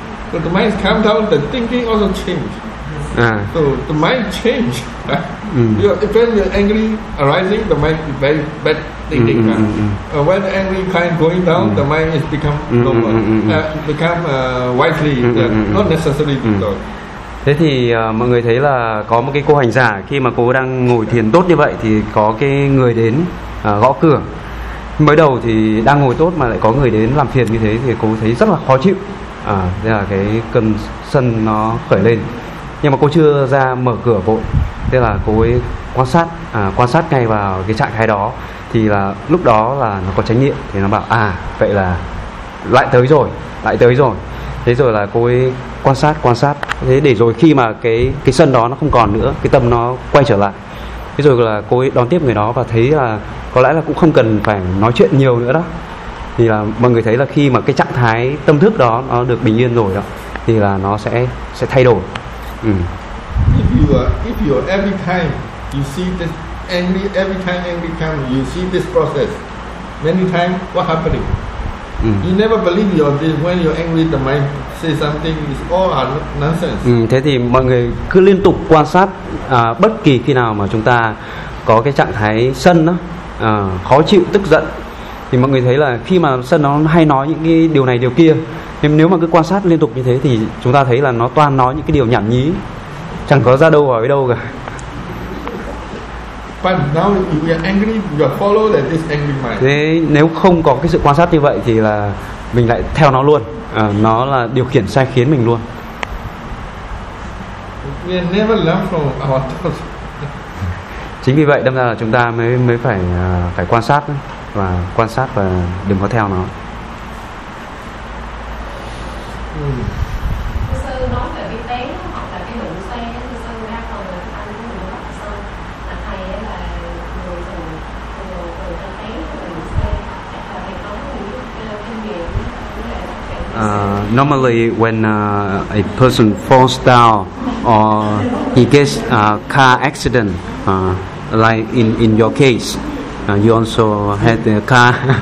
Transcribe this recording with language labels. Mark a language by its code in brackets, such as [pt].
[en] But the mind calm down, the thinking also change. So the mind change. When you're angry arising, the mind is very bad thinking. When the angry kind going down, the mind is become normal, become wisely, not necessary to talk. [vi] Thế thì mọi người thấy là có một cái cô hành giả, khi mà cô đang ngồi thiền tốt như vậy thì có cái người đến gõ cửa. Mới đầu thì đang ngồi tốt mà lại có người đến làm phiền như thế thì cô thấy rất là khó chịu. Thế là cái cơn sân nó khởi lên. Nhưng mà cô chưa ra mở cửa vội. Thế là cô ấy quan sát ngay vào cái trạng thái đó. Thì là lúc đó là nó có chánh niệm, thì nó bảo à vậy là lại tới rồi. Thế rồi là cô ấy quan sát. Thế để rồi khi mà cái sân đó nó không còn nữa, cái tâm nó quay trở lại. Thế rồi là cô ấy đón tiếp người đó và thấy là có lẽ là cũng không cần phải nói chuyện nhiều nữa đó. Thì là mọi người thấy là khi mà cái trạng thái tâm thức đó nó được bình yên rồi đó, thì là nó sẽ thay đổi. [en] If you every time you see this angry, every time you see this process, many times what happening? You never believe your this when you're angry, the mind say something, it's all are nonsense. [vi] Thế thì mọi người cứ liên tục quan sát bất kỳ khi nào mà chúng ta có cái trạng thái sân đó, khó chịu, tức giận, thì mọi người thấy là khi mà sân nó hay nói những cái điều này điều kia, nhưng nếu mà cứ quan sát liên tục như thế thì chúng ta thấy là nó toàn nói những cái điều nhảm nhí, chẳng có ra đâu vào với đâu cả. [en] But now if we are angry, we are follow that this angry mind. [vi] Thế nếu không có cái sự quan sát như vậy thì là mình lại theo nó luôn, nó là điều khiển sai khiến mình luôn. [en] We never learn from our thoughts. [vi] Chính vì vậy đâm ra là chúng ta mới phải phải quan sát đấy. Và quan sát và đừng có theo nó. Sư nói về cái tén hoặc là cái đụng xe, thì sư đa phần là anh cũng bị mất sân. Là thầy là người thường cái tén của đụng xe, chắc là thầy có những kinh nghiệm [en] Normally, when a person falls down or he gets a car accident, like in your case, you also had the car.